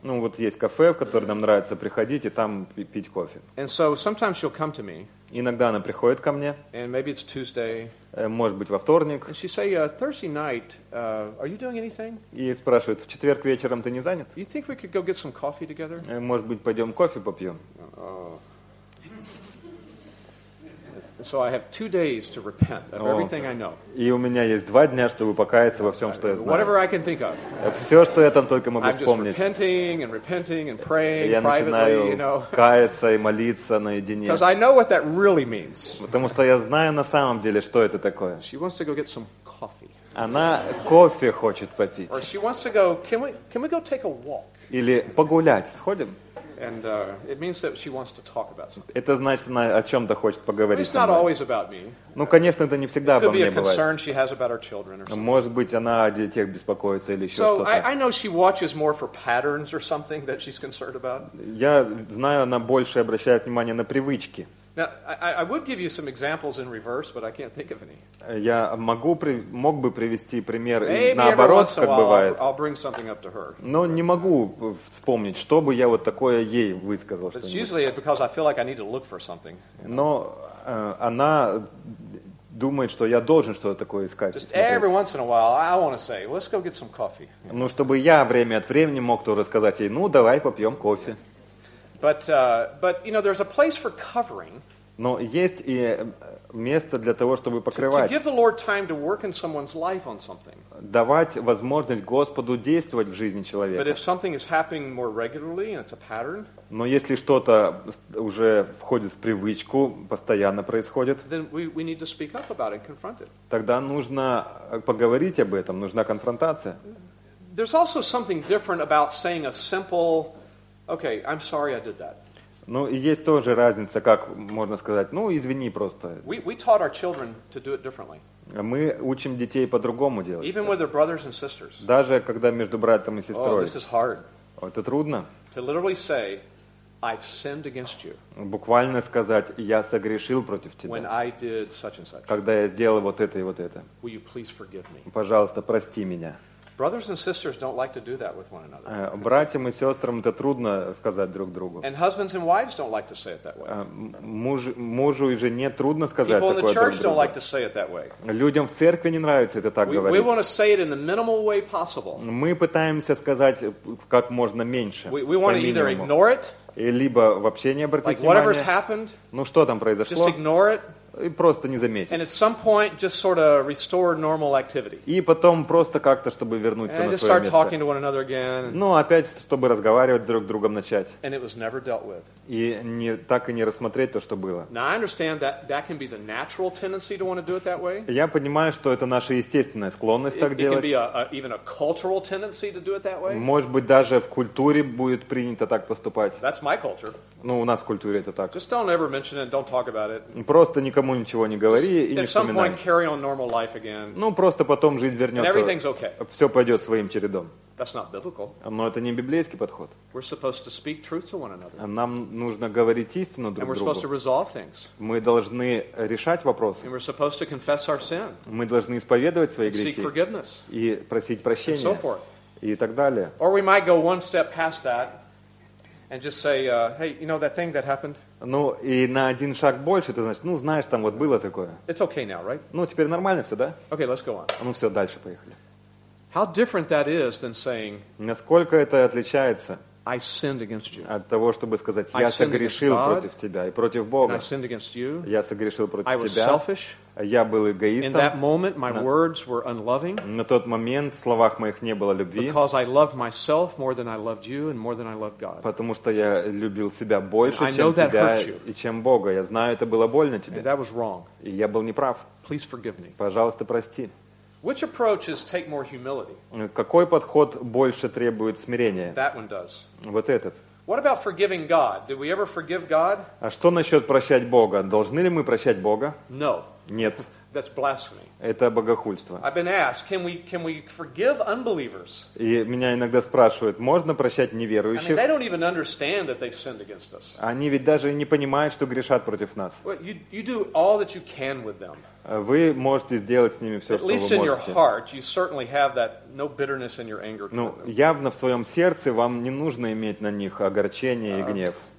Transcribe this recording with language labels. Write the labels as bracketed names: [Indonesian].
[Russian] Ну вот есть кафе, в которое нам нравится приходить и там пить кофе. [English] And so sometimes she'll come to me. [Russian] Иногда она приходит ко мне. [English] And maybe it's Tuesday. [Russian] Может быть, во вторник. [English] And she say, Thursday night, are you doing anything? [Russian] И спрашивает, в четверг вечером ты не занят? [English] You think we could go get some coffee together? [Russian] Может быть, пойдем кофе попьем? [English] So I have 2 days to repent of everything I know. [Russian] И у меня есть 2 дня, чтобы покаяться во всем, что я знаю. [English] Whatever I can think of. [Russian] Все, что я там только могу вспомнить. [English] I'm just repenting and repenting and praying privately, you know. [Russian] Я начинаю каяться и молиться наедине. [English] Because I know what that really means. [Russian] Потому что я знаю на самом деле, что это такое. [English] She wants to go get some coffee. [Russian] Она кофе хочет попить. [English] Or she wants to go. Can we go take a walk? [Russian] Или погулять, сходим? [English] And it means that she wants to talk about something. [Russian] Это значит, она о чем-то хочет поговорить. [English] It's not always about me. [Russian] Ну, конечно, это не всегда обо мне бывает. [English] It could be a concern she has about her children or something. [Russian] Может быть, она о детях беспокоится или еще что-то. [English] So I know she watches more for patterns or something that she's concerned about. [Russian] Я знаю, она больше обращает внимание на привычки. [English] Now, I would give you some examples in reverse, but I can't think of any. [Russian] Я мог бы привести пример [English] Maybe [Russian] наоборот, как бывает. [English] I'll bring something up to her. [Russian] Но [English] right. [Russian] не могу вспомнить, что бы я вот такое ей высказал. [English] But it's usually because I feel like I need to look for something. You know? [Russian] Но она думает, что я должен что-то такое искать. [English] Just every once in a while, I want to say, let's go get some coffee. [Russian] Ну, чтобы я время от времени мог тоже сказать ей, ну, давай попьем кофе. [English] Yeah. But you know, there's a place for covering. [Russian] Но есть и место для того, чтобы покрывать. [English] To give the Lord time to work in someone's life on something. [Russian] Давать возможность Господу действовать в жизни человека. [English] But if something is happening more regularly and it's a pattern. [Russian] Но если что-то уже входит в привычку, постоянно происходит. [English] Then we need to speak up about it and confront it. [Russian] Тогда нужно поговорить об этом, нужна конфронтация. [English] There's also something different about saying a simple. Okay, I'm sorry I did that. [Russian] Ну, и есть тоже разница, как можно сказать, ну, извини просто. [English] We taught our children to do it differently. [Russian] Мы учим детей по-другому делать. [English] Even with their brothers and sisters. [Russian] Даже когда между братом и сестрой. [English] Oh, this is hard. [Russian] Это трудно. [English] To literally say, I've sinned against you. [Russian] Буквально сказать, я согрешил против тебя. [English] When I did such and such. [Russian] Когда я сделал вот это и вот это. [English] Will you please forgive me? [Russian] Пожалуйста, прости меня. [English] Brothers and sisters don't like to do that with one another. [Russian] Братьям и сестрам это трудно сказать друг другу. [English] And husbands and wives don't like to say it that way. [Russian] Мужу и жене трудно сказать такое друг другу. [English] People in the church don't like to say it that way. [Russian] Людям в церкви не нравится это так говорить. [English] We want to say it in the minimal way possible. [Russian] Мы пытаемся сказать как можно меньше. [English] We want to either ignore it. [Russian] Либо вообще не обратить внимания. [English] Like whatever's happened. [Russian] Ну что там произошло? [English] Just ignore it. [Russian] И просто не заметить. [English] And at some point just sort of restore normal activity. [Russian] И потом просто как-то, чтобы вернуть [English] and [Russian] все на свое место. [English] Talking to one another again. [Russian] Ну, опять, чтобы разговаривать друг с другом начать. [English] And it was never dealt with. [Russian] И не, так и не рассмотреть то, что было. [English] Now I understand that that can be the natural tendency to want to do it that way. [Russian] Я понимаю, что это наша естественная склонность так делать. [English] It can be even a cultural tendency to do it that way. [Russian] Может быть, даже в культуре будет принято так поступать. [English] That's my culture. [Russian] Ну, у нас в культуре это так. [English] Just don't ever mention it, don't talk about it. [Russian] Просто никому ничего не говори и не вспоминай. [English] At some point carry on normal life again. [Russian] Ну, просто потом жизнь вернется. [English] And everything's okay. [Russian] Все пойдет своим чередом. [English] That's not biblical. [Russian] Но это не библейский подход. [English] We're supposed to speak truth to one another. [Russian] Нам нужно говорить истину друг другу. [English] And we're supposed to resolve things. [Russian] Мы должны решать вопросы. [English] And we're supposed to confess our sin. [Russian] Мы должны исповедовать свои грехи. [English] And seek forgiveness. [Russian] И просить прощения. [English] And so forth. [Russian] И так далее. [English] Or we might go one step past that. And just say, hey, you know that thing that happened? [Russian] Ну, и на один шаг больше, ты значит, ну, знаешь, там вот было такое. [English] It's okay now, right? [Russian] Ну, теперь нормально все, да? [English] Okay, let's go on. [Russian] Ну, все, дальше поехали. [English] How different that is than saying, [Russian] насколько это отличается [English] I sinned against you. [Russian] От того, чтобы сказать, я согрешил против тебя и против Бога. [English] And I sinned against you. [Russian] Я согрешил против тебя. [English] I was selfish. [Russian] Я был эгоистом. [English] In that moment, my words were unloving. [Russian] На тот момент в словах моих не было любви. [English] Because I loved myself more than I loved you and more than I loved God. [Russian] Потому что я любил себя больше, чем тебя и чем Бога. Я знаю, это было больно тебе. [English] And that was wrong. [Russian] И я был неправ. [English] Please forgive me. [Russian] Пожалуйста, прости. [English] Which approach is take more humility? [Russian] Какой подход больше требует смирения? [English] That one does. [Russian] Вот этот. [English] What about forgiving God? Do we ever forgive God? [Russian] А что насчет прощать Бога? Должны ли мы прощать Бога? [English] No. [Russian] Нет. [English] That's blasphemy. [Russian] Это богохульство. [English] I've been asked, can we forgive unbelievers? [Russian] И меня иногда спрашивают, можно прощать неверующих? [English] I mean, they don't even understand that they've sinned against us. [Russian] Они ведь даже не понимают, что грешат против нас. [English] Well, you do all that you can with them. [Russian] Вы можете сделать с ними все, что вы можете. [English] At least in your heart, you certainly have that no bitterness in your anger. [Russian] Ну, явно в своем сердце вам не нужно иметь на них огорчение и гнев.